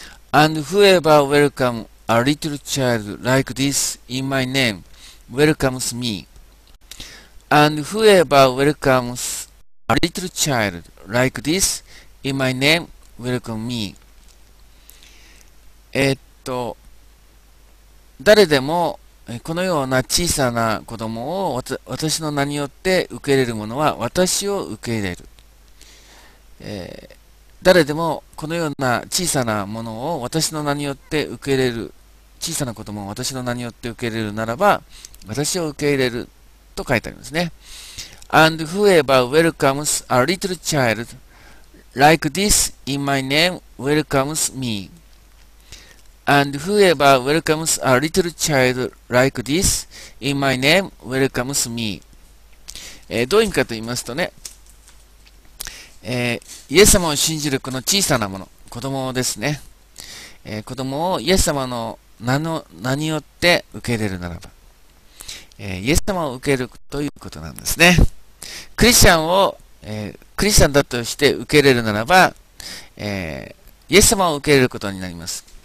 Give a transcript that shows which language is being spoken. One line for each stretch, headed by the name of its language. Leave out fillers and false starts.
English: And whoever welcomes a little child like this in my name welcomes me. And whoever welcomes a little child like this in my name welcomes me.
Japanese: 誰でもこのような小さな子供を私の名によって受け入れる者は私を受け入れる。誰でもこのような小さなものを私の名によって受け入れる、小さな子供を私の名によって受け入れるならば私を受け入れると書いてありますね。
English: And whoever welcomes a little child like this in my name welcomes me. And whoever welcomes a little child like this in my name welcomes me.
Japanese: どういう意味かと言いますとね、イエス様を信じるこの小さなもの、子供ですね、子供をイエス様の名によって受け入れるならば、イエス様を受けるということなんですね。クリスチャンを、クリスチャンだとして受け入れるならば、イエス様を受け入れることになります。